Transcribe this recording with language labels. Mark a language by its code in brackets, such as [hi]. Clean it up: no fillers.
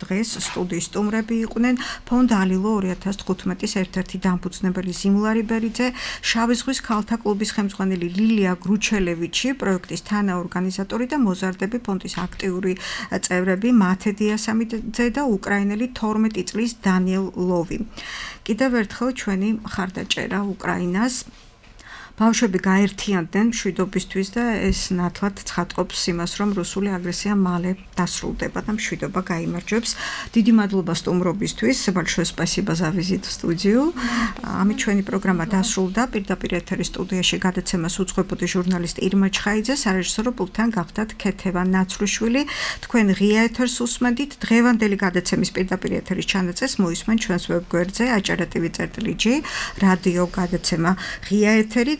[ka] დღეს სტუდიის სტუმრები იყვნენ ფონდ ალილო 2015-ის ერთ-ერთი დამფუძნებელი სიმულარი ბერიძე, შავი ზღვის ქალთა კლუბის ხელმძღვანელი ლილია გრუჩელევიჩი, პროექტის თანაორგანიზატორი და მოზარდები ფონდის აქტიური წევრები მათე დიასამიძე და უკრაინელი 12 წლის დანიელ ლოვი. კიდევ ერთხელ ჩვენი მხარდაჭერა უკრაინას. ბავშვები გაერთიანდნენ მშვიდობისთვის და ეს ნათლად ცხადყოფს იმას, რომ რუსული აგრესია მალე დასრულდება და მშვიდობა გაიმარჯვებს. დიდი მადლობა სტუმრობისთვის, [ru] большое спасибо за визит в студию. [ka] ამით ჩვენი პროგრამა დასრულდა. პირდაპირ ეთერის სტუდიაში გადაცემას უძღვებოდი ჟურნალისტი ირმა ჩხაიძე, სარეჟისორო პულთან გახდათ ქეთევა ნაცრუშვილი. თქვენ ღია ეთერს უსმენთ. დღევანდელი გადაცემის პირდაპირ ეთერის ჩანაწერს მოისმენ ჩვენს ვებგვერდზე aja.tv.gr რადიო გადაცემა ღია ეთერი.